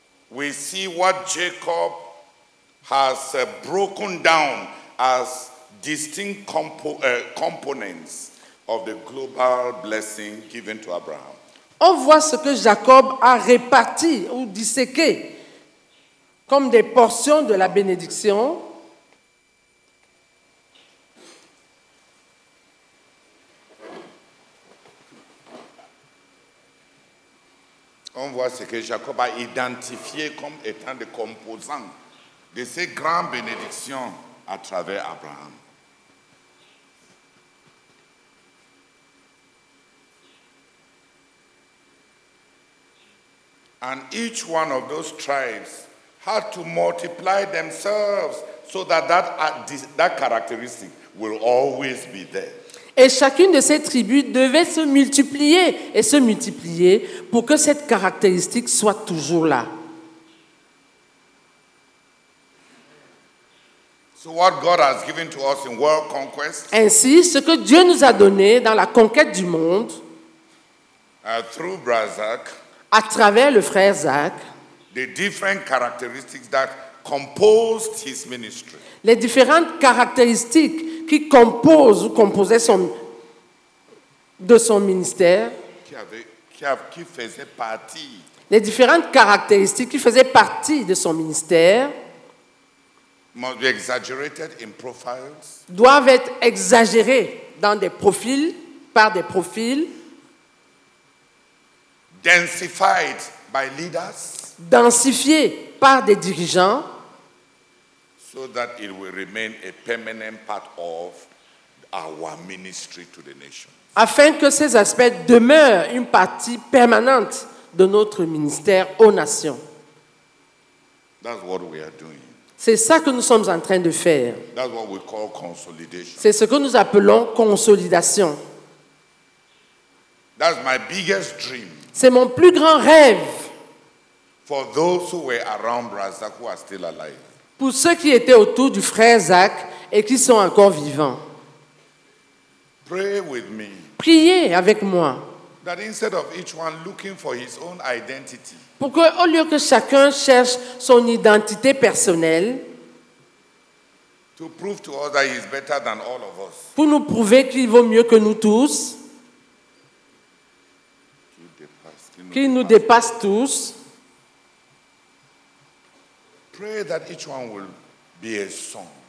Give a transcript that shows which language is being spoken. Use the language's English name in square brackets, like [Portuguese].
[English] we see what Jacob has broken down as distinct components of the global blessing given to Abraham. [French] On voit ce que Jacob a réparti ou disséqué comme des portions de la bénédiction. On voit ce que Jacob a identifié comme étant des composants de ces grandes bénédictions à travers Abraham. [English] And each one of those tribes had to multiply themselves so that that characteristic will always be there. [French] Et chacune de ces tribus devait se multiplier et se multiplier pour que cette caractéristique soit toujours là. [English] So what God has given to us in world conquest, [French] ainsi, ce que Dieu nous a donné dans la conquête du monde, [English] through Brother Zach, [French] à travers le frère Zach, [English] the different characteristics that composed his ministry, [French] les différentes caractéristiques qui composent ou composaient son ministère, qui faisait partie, les différentes caractéristiques qui faisaient partie de son ministère, [English] must be exaggerated in profiles, [French] doivent être exagérés dans des profils, par des profils, [English] densified by leaders, [French] densifiés par des dirigeants, [English] so that it will remain a permanent part of our ministry to the nations, [French] afin que ces aspects demeurent une partie permanente de notre ministère aux nations. [English] That's what we are doing. [French] C'est ça que nous sommes en train de faire. [English] That's what we call consolidation. [French] C'est ce que nous appelons consolidation. [English] That's my biggest dream. [French] C'est mon plus grand rêve. [English] For those who were around Brother Zach who are still alive. [French] Pour ceux qui étaient autour du frère Zach et qui sont encore vivants. [English] Pray with me. [French] Priez avec moi. [English] That instead of each one looking for his own identity. [French] Pour que, au lieu que chacun cherche son identité personnelle, [English] to prove to us that he is better than all of us, [French] pour nous prouver qu'il vaut mieux que nous tous, qu'il nous dépasse tous, [English] pray that each one will be a son.